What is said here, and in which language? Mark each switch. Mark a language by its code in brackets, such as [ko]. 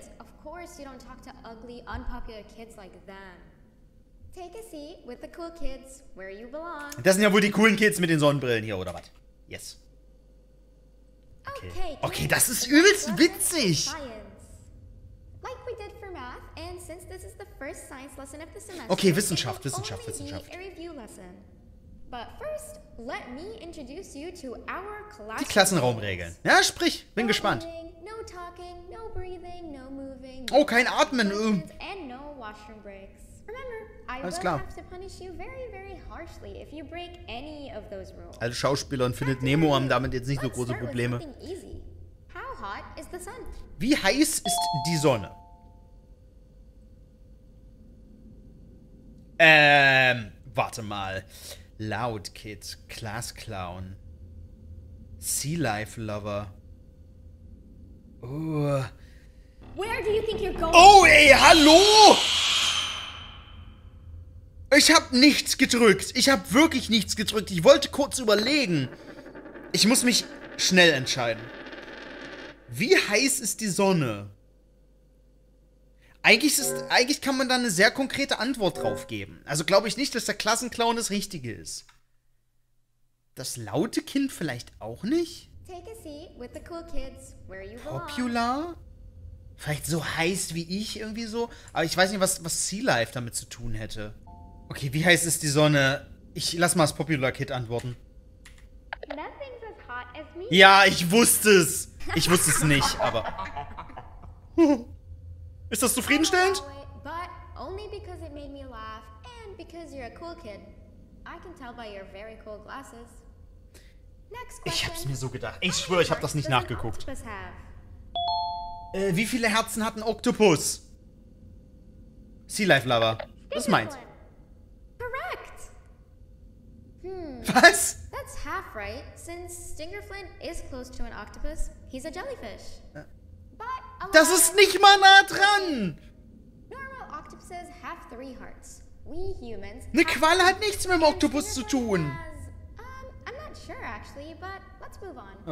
[en] Of course you don't talk to ugly, unpopular kids like them. Take a seat with the cool kids where you belong. [de] Das sind ja wohl die coolen Kids mit den Sonnenbrillen hier, oder was? [en] Yes. Okay, [de] das ist übelst witzig. [en] Like we did for math, and since this is the first science lesson of the semester, [de] okay, Wissenschaft. [en] A review lesson. But first, let me introduce you to our class. [de] Die Klassenraumregeln. Ja, sprich, bin [en] no [de] gespannt. [en] Reading, no talking, no breathing, no moving. [de] Oh, kein Atmen. [en] And no washroom breaks. Remember, I will have to punish you very, very harshly if you break any of those rules. [de] Als Schauspielern findet Nemo am damit jetzt nicht so große Probleme. [en] How hot is the sun? [de] Wie heiß ist die Sonne? Warte mal. Loud Kid, Class Clown, Sea Life Lover. [en] Where do you think you're going? [de] Oh, ey, hallo! Ich hab nichts gedrückt. Ich hab wirklich nichts gedrückt. Ich wollte kurz überlegen. Ich muss mich schnell entscheiden. Wie heiß ist die Sonne? Eigentlich kann man da eine sehr konkrete Antwort drauf geben. Also glaube ich nicht, dass der Klassenclown das Richtige ist. Das laute Kind vielleicht auch nicht? [en] Take a seat with the cool kids where you belong. [de] Popular? Vielleicht so heiß wie ich irgendwie so? Aber ich weiß nicht, was Sea Life damit zu tun hätte. Okay, wie heiß ist die Sonne? Ich lass mal das Popular Kid antworten. [en] Nothing's as hot as me. [de] Ja, ich wusste es. Ich wusste es nicht, aber... Ist das zufriedenstellend? [en] But only because it made me laugh and because you're a cool kid. I can tell by your very cool glasses. Next question. [de] Ich hab's mir so gedacht. Ich schwöre, ich hab das nicht nachgeguckt. Wie viele Herzen hat ein Oktopus? Sea Life Lover. Was meint? [en] Correct. [de] Was? [en] That's half right, since Stingerflint is close to an octopus. He's a jellyfish. [de] Das ist nicht mal nah dran! [en] Normal octopuses have three hearts. We humans. [de] Eine Qualle hat nichts mit dem Oktopus zu tun. [en] I'm not sure actually, but let's move on.